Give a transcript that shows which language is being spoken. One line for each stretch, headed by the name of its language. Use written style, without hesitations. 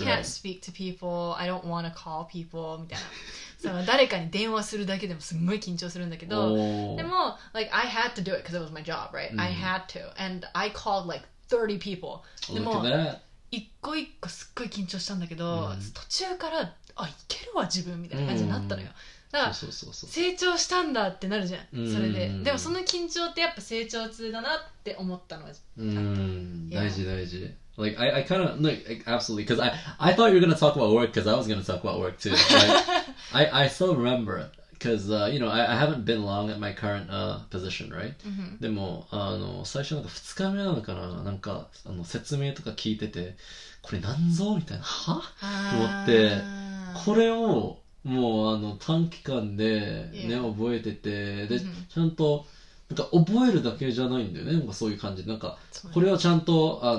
English: I can't speak to people I don't want to call people
Japanese: みたいなその誰かに電話するだけでもすごい緊張するんだけどでも
English: like I had to do it because it was my job right、mm-hmm. I had to and I called like 30 people
Japanese: でも一個一個すっごい緊張したんだけど、
English: mm-hmm.
Japanese: 途中からあいけるわ自分みたいな感じになったのよ、mm-hmm. 成長したんだってなるじゃん、それで。でもその緊張ってやっぱ成長痛だなって思ったのは、うん、大事大事。
English: Like, I kind of, like, absolutely, because I thought you were going to talk about work, because I was going to talk about work too. I still remember, because, you know, I haven't been long at my current position, right?
Japanese: でも、最初なんか2日目なのかな、なんか説明とか聞いてて、これなんぞみたいな、はと思って、これを、もう短期間でね、
English: yeah.
Japanese: 覚えててで、mm-hmm. ちゃんとなんか覚えるだけじゃないんだよねなんかそういう感じなんかこれをちゃんと